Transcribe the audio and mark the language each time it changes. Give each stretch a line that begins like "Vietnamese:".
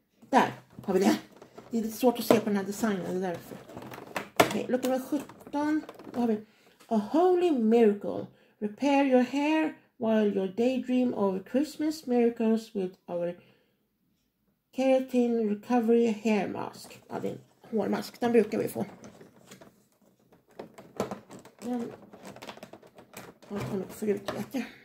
Swedish: Där har vi det. Det är lite svårt att se på den här designen, därför. Okej, okay, nummer 17. Då har vi A Holy Miracle.
English: Repair your hair while your daydream of Christmas miracles with our Keratin Recovery Hair Mask.
Swedish: Ja, det är en hårmask. Den brukar vi få. Den har jag kommit förut, vet jag.